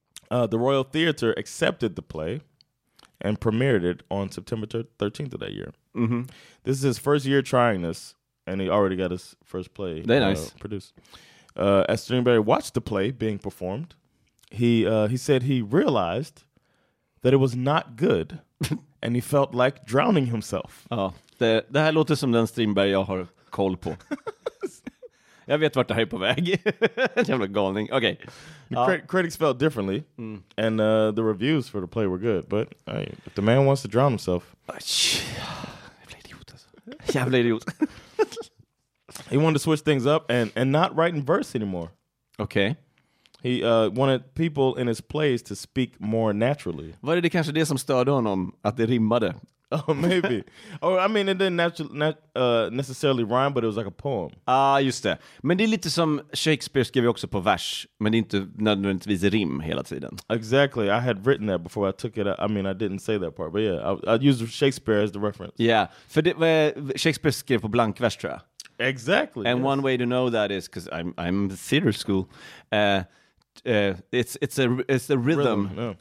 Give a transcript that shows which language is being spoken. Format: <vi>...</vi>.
<en>The Royal Theater accepted the play and premiered it on September 13th of that year. This is his first year trying this. And he already got his first play produced. As Strindberg watched the play being performed, he said he realized that it was not good and he felt like drowning himself.</en> <sv>Ja, det här låter som den Strindberg jag har koll på. Jag vet vart det här är på väg. Jävla galning. Okay.</sv> <en>Critics felt differently. Mm. And the reviews for the play were good. But hey, if the man wants to drown himself.</en> <sv>Jävla idiot alltså. Jävla idiot.</sv> <en>He wanted to switch things up and not write in verse anymore. Okay. He wanted people in his plays to speak more naturally.</en> <sv>Var det kanske det som störde honom? Att det rimmade?</sv> <en>Oh, maybe. Oh, I mean, it didn't necessarily rhyme, but it was like a poem.</en> <sv>Ah, just det. Men det är lite som Shakespeare skrev också på vers, men det är inte nödvändigtvis rim hela tiden.</sv> <en>Exactly. I had written that before I took it. I mean, I didn't say that part, but yeah, I used Shakespeare as the reference.</en> <sv>Yeah, för det, Shakespeare skrev på blank vers, tror jag.</sv> <en>Exactly. And yes. One way to know that is because I'm theater school. It's a rhythm yeah.</en>